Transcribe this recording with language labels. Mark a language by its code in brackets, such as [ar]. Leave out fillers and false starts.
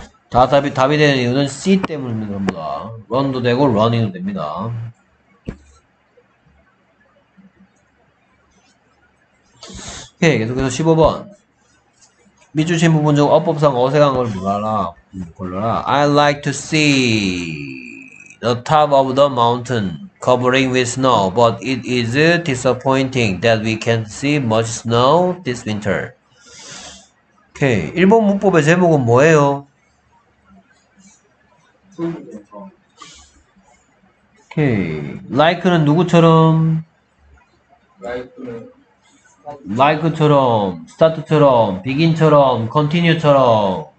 [ko] 다 답이 되는 이유는 C 때문입니다. 전부 다. run도 되고 running도 됩니다. 네, 계속해서 15번. 밑주신 부분 중 어법상 어색한 걸 골라라. [en] I like to see the top of the mountain covering with snow, but it is disappointing that we can't see much snow this winter. Okay. [ko] 일본 문법의 제목은 뭐예요? 오케이. Like는 누구처럼? Like처럼, start처럼, begin처럼, continue처럼.